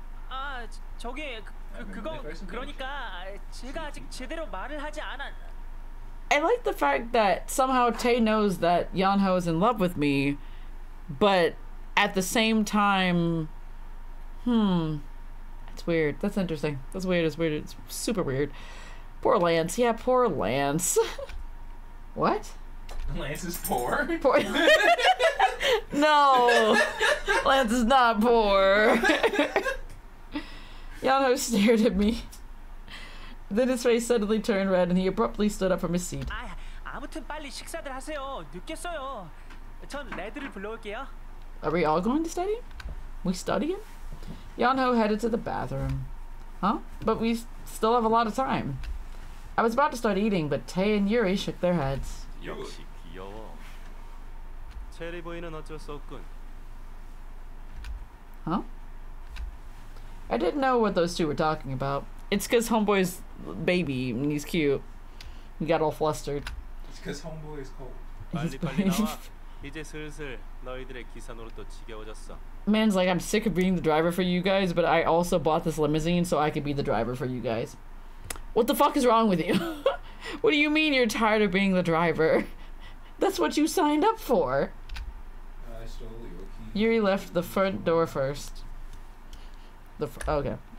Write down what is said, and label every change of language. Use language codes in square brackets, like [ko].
[ko] 아, 저기 그거 그러니까 제가 아직 제대로 말을 하지 않았. [en] I like the fact that somehow Tae knows that Yeonho is in love with me, but at the same time, that's weird. That's interesting. That's weird. It's weird. It's super weird. Poor Lance. Yeah, poor Lance. What? Lance is poor. Poor. No, Lance is not poor. Yeonho stared at me. Then his face suddenly turned red and he abruptly stood up from his seat. [ko] 아, 아무튼 빨리 식사들 하세요. 늦겠어요. 전 레드를 불러올게요. [en] Are we all going to study? We studying? Yeonho headed to the bathroom. Huh? But we still have a lot of time. I was about to start eating, but Tae and Yuri shook their heads. [ko] 역시 귀여워. 체리 보이는 어쩔 수 없군. [en] Huh? I didn't know what those two were talking about. It's because homeboy's baby and he's cute. He got all flustered. It's because homeboy is cold. [ko] 이제 슬슬 너희들의 기사 노릇도 지겨워졌어. [en] Man's like, I'm sick of being the driver for you guys, but I also bought this limousine so I could be the driver for you guys. What the fuck is wrong with you? What do you mean you're tired of being the driver? That's what you signed up for. I stole your key. Yuri left the front door first. Okay.